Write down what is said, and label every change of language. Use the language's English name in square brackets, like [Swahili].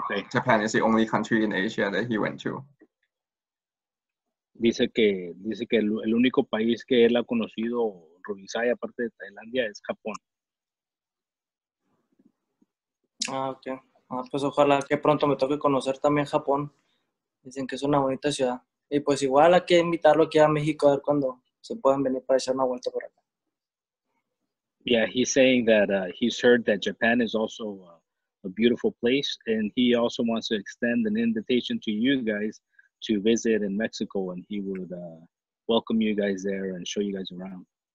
[English] Japan is the only country in Asia that he went to. [Spanish] Dice que el único país que él ha conocido, Rungvisai, aparte de Tailandia, es Japón. Ah, okay. Ah, pues ojalá que pronto me toque conocer también Japón. Dicen que es una bonita ciudad. Y pues igual hay que invitarlo aquí a México a ver cuando se puedan venir para echar una vuelta por acá. [English] Yeah, he's saying that he's heard that Japan is also a beautiful place and he also wants to extend an invitation to you guys to visit in Mexico and he would welcome you guys there and show you guys around.